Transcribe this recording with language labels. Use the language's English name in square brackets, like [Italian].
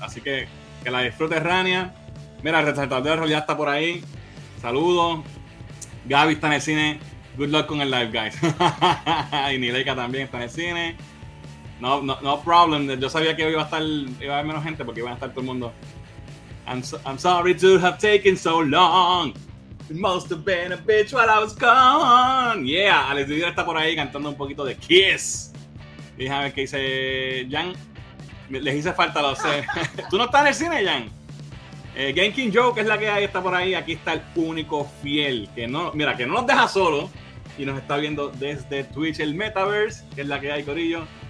[Spanish] Así que la disfrute Rania. Mira, el resaltador de rol ya está por ahí. Saludos. Gaby está en el cine. [English] Good luck [Spanish] con el live, guys. Y Nileika también está en el cine. [English] No problem. [Spanish] Yo sabía que hoy iba a haber menos gente porque iba a estar todo el mundo. [English] I'm sorry to have taken so long. It must have been a bitch while I was gone. [Spanish] Yeah, Alex Vidal está por ahí cantando un poquito de Kiss. Dije a ver qué dice Jan. Les hice falta, lo sé. ¿Tú no estás en el cine, Jan? Game King Joe, que es la que hay, está por ahí. Aquí está el único fiel que no, mira, que no nos deja solo y nos está viendo desde Twitch, el Metaverse, que es la que hay, corillo.